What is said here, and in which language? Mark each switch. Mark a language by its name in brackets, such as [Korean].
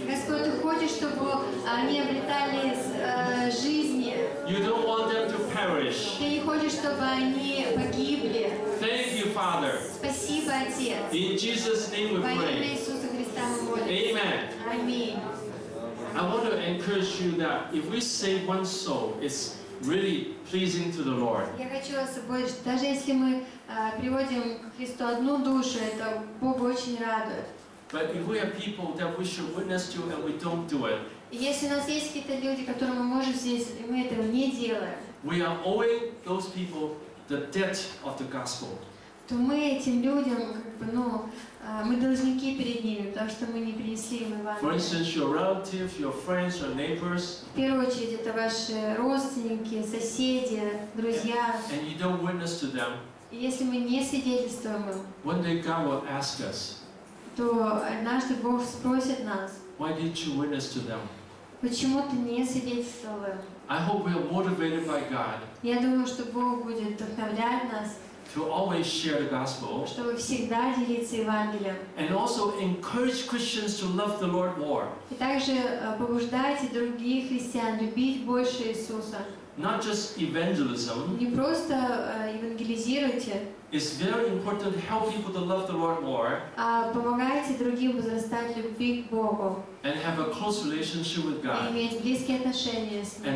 [Russian] Господь, ты хочешь, чтобы они обретали жизни. [English] You don't want them to perish. [Russian] Ты не хочешь, чтобы они погибли. [English] Thank you, Father. [Russian] Спасибо, Отец. [English] In Jesus' name we pray. [Russian] Во имя Иисуса Христа мы молимся. [English] Amen. [Russian] Аминь. [English] I want to encourage you that if we save one soul, it's really pleasing to the Lord. [Russian] Я хочу вас ободрить, даже если мы приводим к Христу одну душу, это Бога очень радует. [English] But if we have people that we should witness to and we don't do it. [Russian] Если у нас есть какие-то люди, которым мы можем здесь, и мы этого не делаем. [English] We are owing those people the debt of the gospel. [Russian] То мы этим людям мы должники перед ними, потому что мы не принесли им Евангелие. [English] For instance, your relative, your friends, your neighbors. [Russian] В первую очередь это ваши родственники, соседи, друзья. [English] And you don't witness to them. [Russian] Если мы не свидетельствуем им. [English] One day God will ask us. [Russian] То однажды Бог спросит нас. [English] Why didn't you witness to them? [Russian] Почему ты не свидетельствовал? [English] I hope we are motivated by God. [Russian] Я думаю, что Бог будет вдохновлять нас. [English] To always share the gospel. [Russian] Чтобы всегда делиться Евангелием. [English] And also encourage Christians to love the Lord more. [Russian] И также побуждайте других христиан любить больше Иисуса. [English] Not just evangelism. [Russian] Не просто евангелизируйте. [English] It's very important to help people to love the Lord more. [Russian] Помогайте другим возрастать любви к Богу. [English] And have a close relationship with God. [Russian] И иметь близкие отношения с Ним.